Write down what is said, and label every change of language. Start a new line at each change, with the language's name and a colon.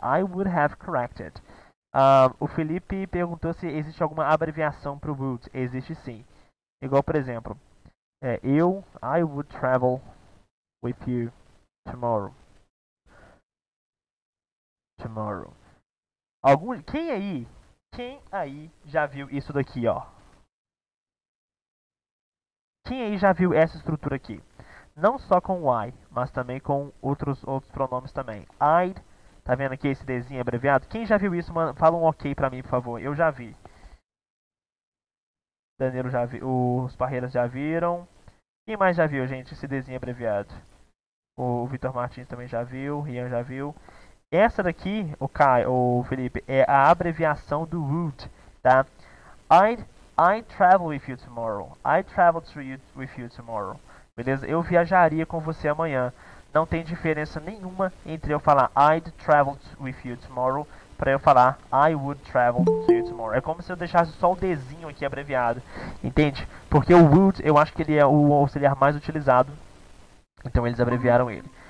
English: I would have corrected.
Portuguese: O Felipe perguntou se existe alguma abreviação para o would. Existe sim. Igual, por exemplo,
English: I would travel with you tomorrow. Tomorrow.
Portuguese: Quem aí já viu isso daqui, ó? Quem aí já viu essa estrutura aqui? Não só com o I, mas também com outros pronomes também. I, tá vendo aqui esse Dzinho abreviado? Quem já viu isso, mano, fala um ok pra mim, por favor. Eu já vi. Danilo já viu. Os Parreiras já viram. Quem mais já viu, gente, esse Dzinho abreviado? O Vitor Martins também já viu, o Rian já viu. Essa daqui, o Kai, o Felipe, é a abreviação do would, tá?
English: I travel with you tomorrow. I travel to you with you tomorrow.
Portuguese: Beleza? Eu viajaria com você amanhã. Não tem diferença nenhuma entre eu falar
English: I'd travel with you tomorrow
Portuguese: para eu falar
English: I would travel to you tomorrow.
Portuguese: É como se eu deixasse só o Dzinho aqui abreviado, entende? Porque o would, eu acho que ele é o auxiliar mais utilizado. Então eles abreviaram ele.